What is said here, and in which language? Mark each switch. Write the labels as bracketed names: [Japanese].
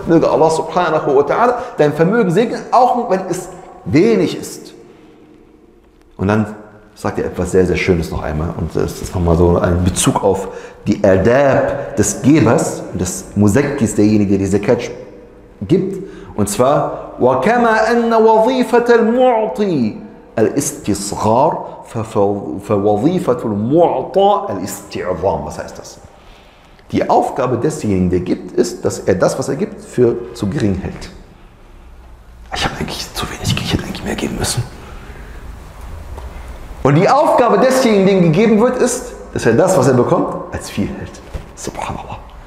[German] Möge Allah subhanahu wa ta'ala dein Vermögen segnen, auch wenn es wenig ist. Und dann sagt er etwas sehr, sehr Schönes noch einmal. Und das ist nochmal so ein Bezug auf die Adab des Gebers, des Musekkis, derjenige, der die Zakat gibt. Und zwar, [Arabic] وَكَمَا أَنَّ وَظِيفَةَ الْمُعْطِي الْإِسْتِصْغَارِ فَوَظِيفَةُ الْمُعْطَى الْإِسْتِعْظَامِ. [German] Was heißt das? Die Aufgabe desjenigen, der gibt, ist, dass er das, was er gibt, für zu gering hält. Ich habe eigentlich zu wenig, ich hätte eigentlich mehr geben müssen. Und die Aufgabe desjenigen, dem gegeben wird, ist, dass er das, was er bekommt, als viel hält. Subhanallah.